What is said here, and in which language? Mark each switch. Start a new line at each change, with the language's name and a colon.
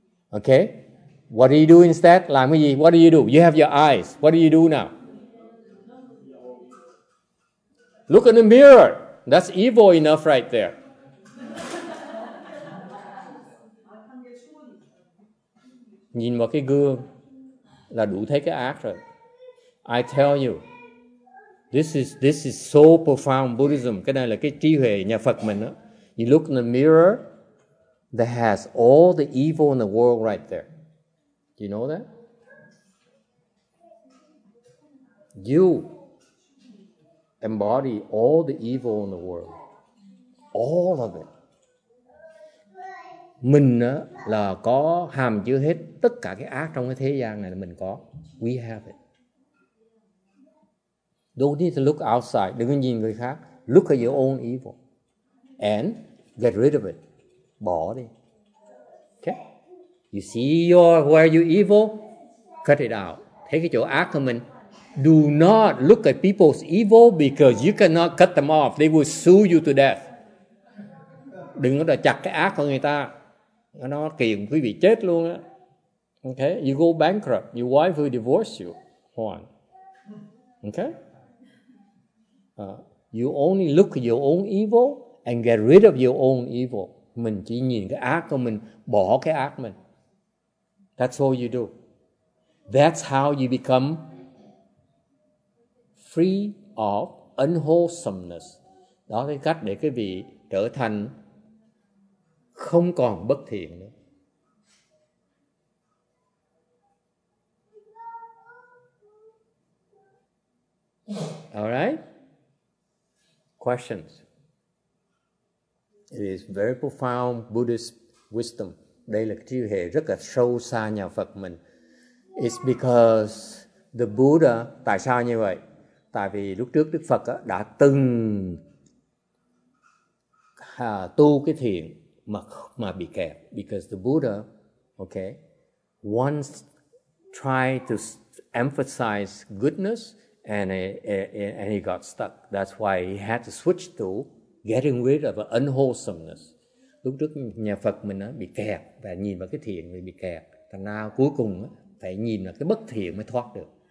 English: Okay? What do you do instead?
Vietnamese: Làm cái gì?
English: What do you do? You have your eyes. What do you do now? Look in the mirror. That's evil enough right there.
Vietnamese: Nhìn vào cái gương là đủ thấy cái ác rồi.
English: I tell you, this is so profound Buddhism.
Vietnamese: Cái này là cái trí huệ nhà Phật mình đó.
English: You look in the mirror that has all the evil in the world right there. Do you know that? You embody all the evil in the world. All of it.
Vietnamese: Mình là có hàm chứa hết tất cả cái ác trong cái thế gian này là mình có.
English: We have it. Don't need to look outside.
Vietnamese: Đừng nhìn người khác.
English: Look at your own evil. And get rid of it.
Vietnamese: Bỏ đi.
English: Okay? You see where you're evil? Cut it out.
Vietnamese: Thấy cái chỗ ác của mình?
English: Do not look at people's evil because you cannot cut them off. They will sue you to death.
Vietnamese: Đừng có chặt cái ác của người ta. Nó kiện quý vị chết luôn á.
English: Okay? You go bankrupt. Your wife will divorce you. Hoàng. Okay? You only look at your own evil and get rid of your own evil.
Vietnamese: Mình chỉ nhìn cái ác của mình, bỏ cái ác mình.
English: That's all you do. That's how you become free of unwholesomeness.
Vietnamese: Đó là cách để quý vị trở thành không còn bất thiện nữa.
English: All right? Questions? It is very profound Buddhist wisdom.
Vietnamese: Đây là trí huệ rất là sâu xa nhà Phật mình.
English: It's because the Buddha,
Vietnamese: tại sao như vậy? Tại vì lúc trước Đức Phật đã từng tu cái thiện mà bị kẹt.
English: Because the Buddha, okay, once tried to emphasize goodness and he got stuck. That's why he had to switch to getting rid of unwholesomeness.
Vietnamese: Lúc trước nhà Phật mình bị kẹt và nhìn vào cái thiện mình bị kẹt. Thành ra cuối cùng phải nhìn vào cái bất thiện mới thoát được.